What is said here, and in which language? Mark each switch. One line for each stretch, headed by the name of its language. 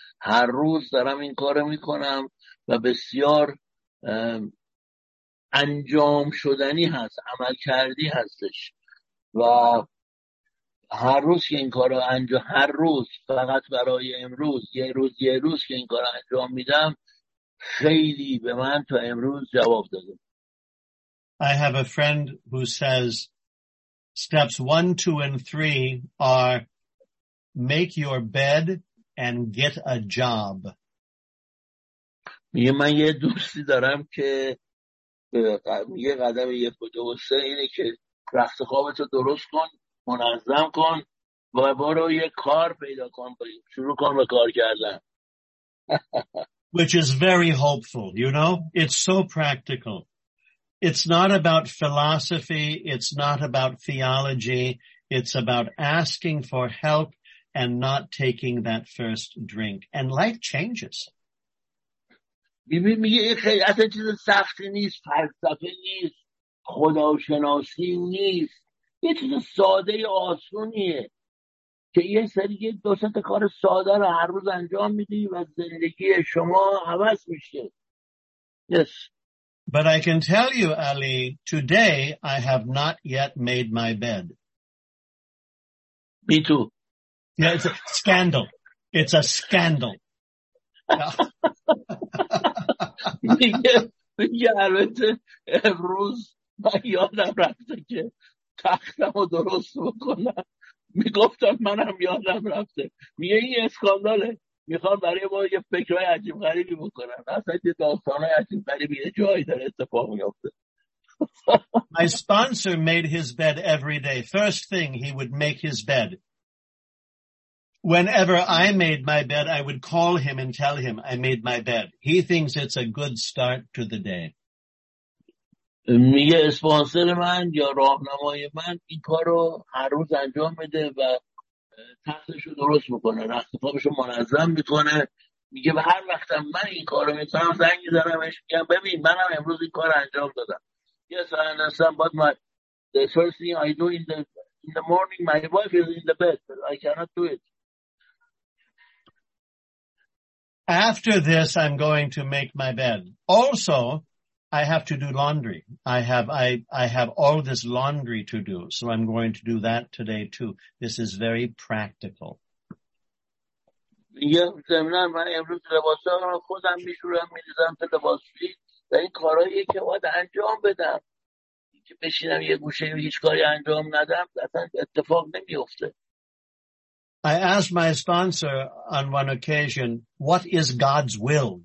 Persian: هر روز دارم این کارو میکنم و بسیار انجام شدنی هست، عمل کردی هستش و هر روز که این کارو انجام، هر روز فقط برای امروز، یه روز که این کارو انجام میدم، خیلی به من تا امروز جواب داده.
English: I have a friend who says steps 1, 2, and 3 are make your bed and get a job.
Persian: میگه من یه دوستی دارم که یه قدم 1, 2, و 3 اینه که رخت خوابتو درست کن، منظم کن و برو یه کار پیدا کن، شروع کن به کار کردن.
English: Which is very hopeful, you know? It's so practical. It's not about philosophy, it's not about theology, it's about asking for help and not taking that first drink. And life changes.
Persian: میگه این خیلی اصلا چیز سختی نیست، فلسفه نیست، خداشناسی نیست، یه چیز ساده آسونیه که یه سری یه دوست کار ساده رو هر روز انجام میدی و زندگی شما عوض میشه.
English: Yes. But I can tell you, Ali, today I have not yet made my bed. Me too. Yeah, it's a scandal. It's a scandal.
Persian: میگه البته امروز من یادم رفته که تختم رو درست بکنم، میگفتم منم یادم رفته. میگه این اسکاندله، میخوام برای ما یه فکرهای عجیب غریبی بکنم، اصلا یه داستانهای عجیب غریبی یه جایی در اتفاق میفته.
English: My sponsor made his bed every day. First thing he would make his bed. Whenever I made my bed, I would call him and tell him I made my bed. He thinks it's a good start to the day.
Persian: میگه اسپانسر من یا راهنمای من این کارو هر روز انجام میده و تختشو درست میکنه، رخت خوابشو منظم میکنه. میگه به هر وقت من این کارو میکنم زنگ میزنم بهش میگم ببین منم امروز این کارو انجام دادم.
English: Yes, I understand, but the first thing I do in the morning, my wife is in the bed. I cannot do it. After this, I'm going to make my bed. Also, I have to do laundry. I have all this laundry to do, so I'm going to do that today too. This is very practical.
Persian: Yeah, زمینم من امروز لباسام خودم میشورم، میذارم تا لباسشویی. و این کارهایی که باید انجام بدم، که بشینم یه گوشه و هیچ کاری انجام ندم، اصلا اتفاق نمیفته. I asked my sponsor on one occasion, what is God's will?